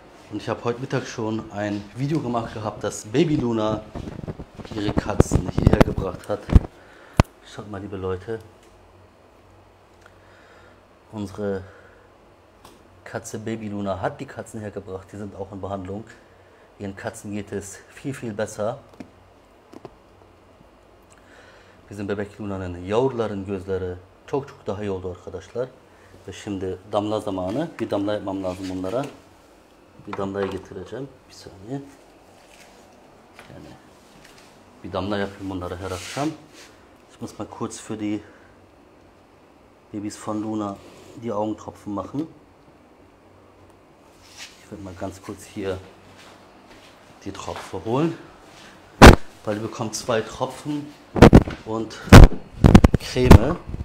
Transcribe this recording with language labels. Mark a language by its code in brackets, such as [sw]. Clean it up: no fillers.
[de] Und ich habe heute Mittag schon ein Video gemacht gehabt, dass Baby Luna ihre Katzen hierher gebracht hat. Schaut mal, liebe Leute. Unsere Katze Baby Luna hat die Katzen hergebracht. Die sind auch in Behandlung. Ihren Katzen geht es viel, viel besser. [tr] Bizim bebek Luna'nın yavruların gözleri çok çok daha iyi oldu arkadaşlar. Ve şimdi damla zamanı. Bir damla yapmam lazım bunlara. Bir damlaya getireceğim. Bir saniye. Yani bir damla yapayım bunları her akşam. [de] Ich muss mal kurz für die Babys von Luna die Augentropfen machen. Ich werde mal ganz kurz hier die Tropfen holen, weil die bekommen 2 Tropfen und Creme.